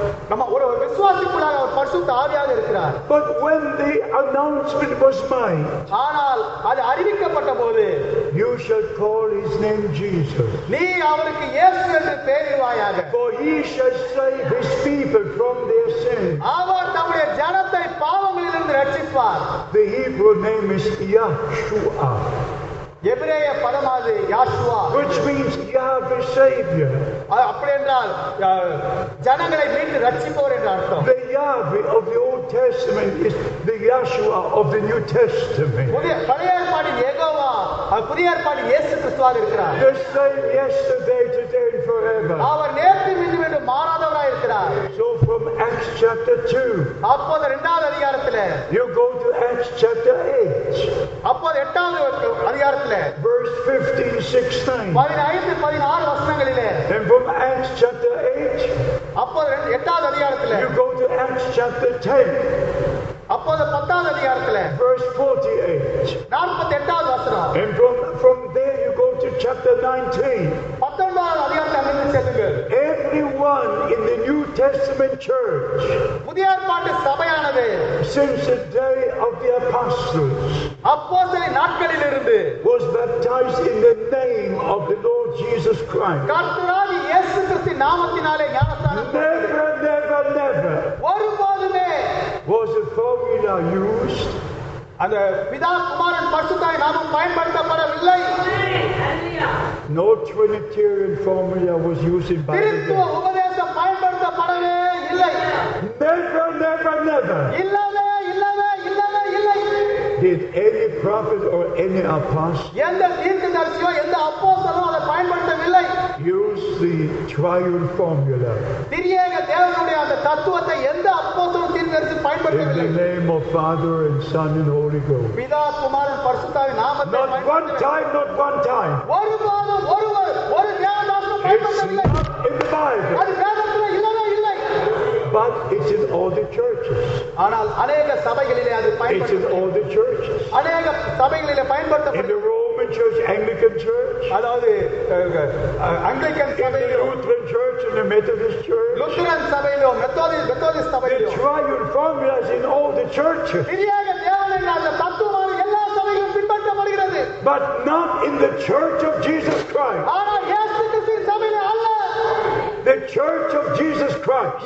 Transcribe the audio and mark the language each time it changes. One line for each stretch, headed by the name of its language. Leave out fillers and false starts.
Tamil: நம்ம ஒரு விசுவாசிக்குள்ளாக அவர் பரிசுத்த ஆவியாக இருக்கிறார்.
English: But when the announcement was made.
Tamil: ஆனால் அது அறிவிக்கப்பட்ட போது.
English: You shall call his name Jesus.
Tamil: நீ அவருக்கு இயேசு என்று பெயரிடுவாயாக.
English: For he shall save his people from their sins.
Tamil: அவர் தம்முடைய ஜனத்தை பாவங்களிலிருந்து ரட்சிப்பார்.
English: The Hebrew name is Yahshua.
Tamil: எபிரேய பதமாது Yeshua.
English: Which means Yahweh Savior.
Tamil: அப்படி என்றால் ஜனங்களை மீட்டு ரட்சிப்பவர் என்று அர்த்தம்.
English: The Yahweh of the Old Testament is the Yahshua of the New Testament.
Tamil: புதிய பழைய ஏற்பாட்டின் யெகோவா புதிய ஏற்பாட்டின் இயேசு கிறிஸ்துவாக இருக்கிறார்.
English: The same yesterday, today and forever.
Tamil: அவர் நேற்று இன்றும் என்று மாறாதவராய் இருக்கிறார்.
English: So from Acts chapter 2.
Tamil: அப்போது இரண்டாவது அதிகாரத்திலே.
English: You go to Acts chapter 8.
Tamil: அப்போது எட்டாவது அதிகாரத்திலே.
English: Verse 15,
Tamil: 16. 15-16 வசனங்களிலே.
English: And from Acts chapter 8.
Tamil: அப்போது எட்டாவது அதிகாரத்திலே.
English: You go to Acts chapter 10.
Tamil: அப்போது பத்தாவது அதிகாரத்திலே.
English: Verse 48.
Tamil: 48-ஆவது வசனம்.
English: And from there you go to chapter 19.
Tamil: 19-ஆவது அதிகாரத்தை அங்கு செல்லுங்கள்.
English: Everyone in the New Testament church.
Tamil: புதிய ஏற்பாட்டு சபையானது.
English: Since the day of the apostles.
Tamil: அப்போஸ்தலின் நாட்களிலிருந்து.
English: Was baptized in the name of the Lord Jesus Christ.
Tamil: கர்த்தராகிய இயேசு கிறிஸ்துவின் நாமத்தினாலே ஞானஸ்தானம்.
English: Never.
Tamil: ஒருபோதுமே.
English: Was the formula used.
Tamil: அந்த பிதா குமாரன் பரிசுத்தாவின் நாமம் பயன்படுத்தப்படவில்லை.
English: No Trinitarian formula was used by
Tamil: திருத்துவ உபதேசம் பயன்படுத்தப்படவே இல்லை.
English: Never.
Tamil: இல்லவே இல்லை.
English: Did any prophet or any apostle
Tamil: எந்த தீர்க்கதரிசியோ எந்த அப்போஸ்தலனோ அதை பயன்படுத்தவில்லை.
English: Use the triune formula.
Tamil: திரியேக தேவனுடைய அந்த தத்துவத்தை எந்த அப்போஸ்தலனும் தீர்க்கதரிசி பயன்படுத்தவில்லை.
English: In the name of Father and Son and Holy Ghost.
Tamil: பிதா குமாரன் பரிசுத்தாவின் நாமத்தை
English: not one time.
Tamil: ஒரு தேவனாலும் பயன்படுத்தவில்லை.
English: In the Bible.
Tamil: அது வேதத்தில் இல்லவே இல்லை.
English: But it's in all the churches.
Tamil: ஆனால் அநேக சபைகளிலே அது பயன்படுத்தப்படும்.
English: It's in all the churches.
Tamil: அநேக சபைகளிலே பயன்படுத்தப்படும்.
English: In the Roman Church, Anglican Church.
Tamil: அதாவது Anglican சபையில்.
English: Lutheran Church and the Methodist Church.
Tamil: Lutheran சபையிலோ Methodist சபையிலோ.
English: The triune formula is in all the churches.
Tamil: பிரியாக தேவனின் அந்த தத்துவம் எல்லா சபையிலும் பின்பற்றப்படுகிறது.
English: But not in the Church of Jesus Christ.
Tamil: ஆனால் இயேசு கிறிஸ்துவின் சபையிலே அல்ல.
English: The Church of Jesus Christ.